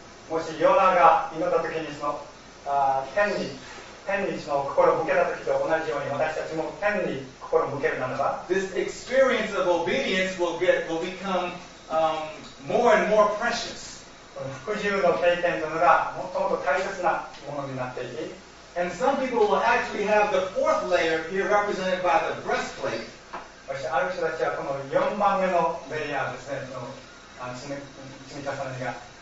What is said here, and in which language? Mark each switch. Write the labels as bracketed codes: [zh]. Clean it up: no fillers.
[ja] もしヨナが祈ったときにその天にその心を向けたときと同じように私たちも天に [en] This experience of obedience will become more and more precious. [ja] 服従の経験というのがもっともっと大切なものになっていき [en] And some people will actually have the fourth layer here represented by the breastplate. [ja] そしてある人たちはこの4番目のレイヤーですね、その積み重ねが、